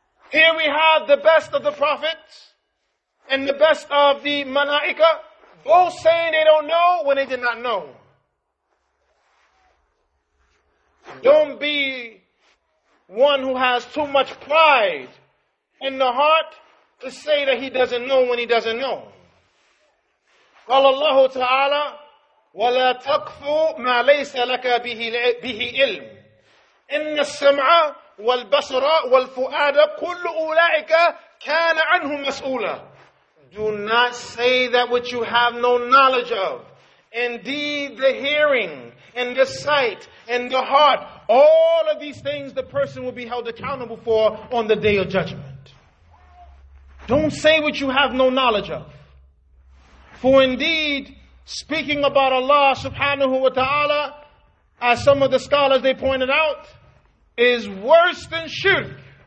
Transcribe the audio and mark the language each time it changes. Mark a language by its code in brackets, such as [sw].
[en] Here we have the best of the prophets and the best of the malaika, both saying they don't know when they did not know. Don't be one who has too much pride in the heart to say that he doesn't know when he doesn't know. [ar] قال الله تعالى ولا تقف ما ليس لك به علم إن السمع والبصر والفؤاد كل أولئك كان عنه مسؤولا. [en] Do not say that which you have no knowledge of. Indeed, the hearing and the sight and the heart, all of these things the person will be held accountable for on the day of judgment. Don't say what you have no knowledge of. For indeed, speaking about Allah subhanahu wa ta'ala, as some of the scholars they pointed out, is worse than shirk.